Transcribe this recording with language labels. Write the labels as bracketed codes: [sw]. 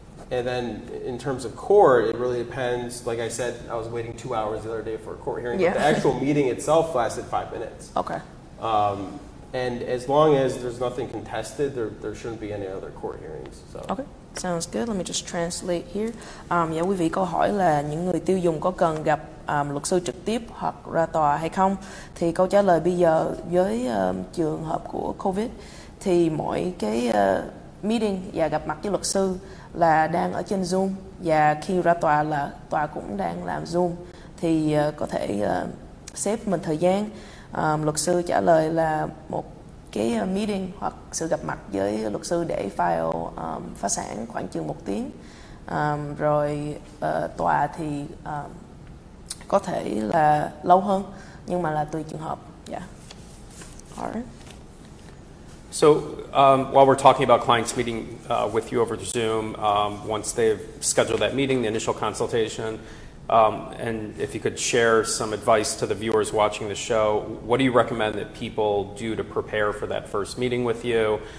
[en] And then in terms of court, it really depends. Like I said, I was waiting 2 hours the other day for a court hearing. Yeah. But the actual meeting itself lasted 5 minutes. Okay. And as long as there's nothing contested, there shouldn't be any other court hearings. So. Okay. Sounds good. Let me just translate here. [vi] Yeah, quý vị có hỏi là những người tiêu dùng có cần gặp luật sư trực tiếp hoặc ra tòa hay không? Thì câu trả lời bây giờ với trường hợp của COVID thì mỗi cái meeting và gặp mặt với luật sư là đang ở trên Zoom, và khi ra tòa là tòa cũng đang làm Zoom, thì có thể xếp mình thời gian. Luật sư trả lời là một cái meeting hoặc sự gặp mặt với luật sư để file phá sản khoảng chừng một tiếng. Rồi tòa thì có thể là lâu hơn, nhưng mà là tùy trường hợp. [en] Yeah. All right. So while we're talking about clients meeting with you over Zoom, once they've scheduled that meeting, the initial consultation, and if you could share some advice to the viewers watching the show, what do you recommend that people do to prepare for that first meeting with you?